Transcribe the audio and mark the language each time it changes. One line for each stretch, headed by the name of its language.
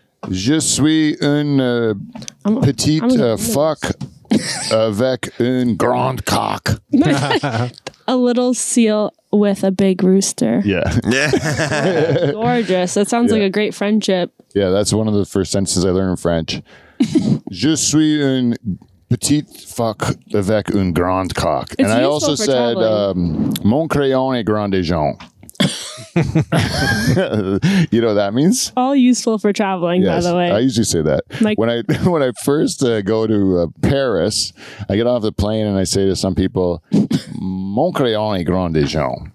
French: Je suis un petit fuck avec un grand cock.
English: A little seal with a big rooster. Yeah. Gorgeous. That sounds like a great friendship. Yeah, that's one of the first sentences I learned in French.
French: Je suis un petit fuck avec un grand cock.
English: It's, and I also said,
French: mon crayon est grand et jaune.
English: You know what that means? All useful for traveling, yes, by the way. I usually say that. Like, when I first go to Paris, I get off the plane and I say to some people,
French: mon crayon est grand et jaune.